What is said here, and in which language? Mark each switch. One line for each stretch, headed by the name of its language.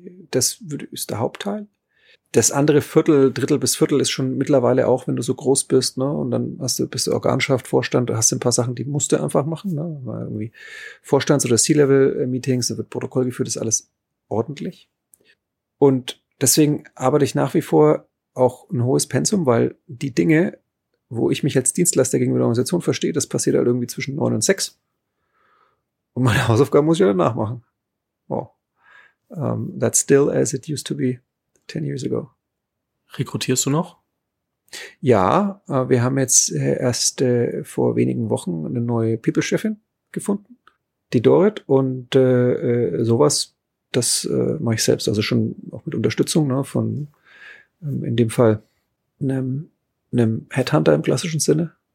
German: Das ist der Hauptteil. Das andere Viertel, Drittel bis Viertel ist schon mittlerweile auch, wenn du so groß bist, ne, und dann bist du Organschaft, Vorstand, hast du ein paar Sachen, die musst du einfach machen, ne, irgendwie Vorstands- oder C-Level-Meetings, da wird Protokoll geführt, ist alles ordentlich. Und deswegen arbeite ich nach wie vor auch ein hohes Pensum, weil die Dinge, wo ich mich als Dienstleister gegenüber der Organisation verstehe, das passiert halt irgendwie zwischen 9 und 6. Und meine Hausaufgaben muss ich ja danach machen. Oh.
English: That's still as it used to be. 10 years ago.
German: Rekrutierst du noch? Ja, wir haben jetzt erst vor wenigen Wochen eine neue People-Chefin gefunden, die Dorit. Und sowas, das mache ich selbst. Also schon auch mit Unterstützung, ne, von in dem Fall einem Headhunter im klassischen Sinne.